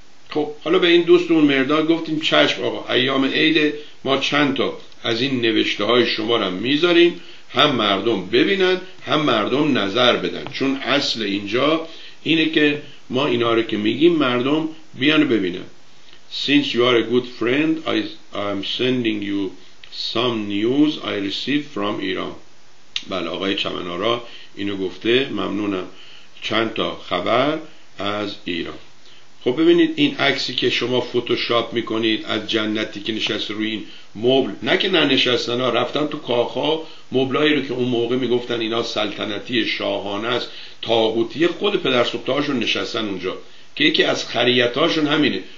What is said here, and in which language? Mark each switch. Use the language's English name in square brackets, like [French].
[Persian] خب حالا به این دوستمون مرداد گفتیم چشم آقا، ایام عیده ما چند تا از این نوشته های شما رو میذاریم، هم مردم ببینن هم مردم نظر بدن. چون اصل اینجا اینه که ما اینا رو که میگیم مردم بیان ببینن. [English] Since you are a good friend I'm sending you some news I received from Iran. [Persian] بله آقای چمنارا اینو گفته، ممنونم. چند تا خبر از ایران. خب ببینید این عکسی که شما فتوشاپ میکنید از جنتی که نشسته روی این مبل، نه که ننشستن ها، رفتن تو کاخا، مبلایی رو که اون موقع میگفتن اینا سلطنتی شاهانه است، طاغوتی، خود پدر سوخته‌هاشون نشستن اونجا، که یکی از خریتاشون همینه.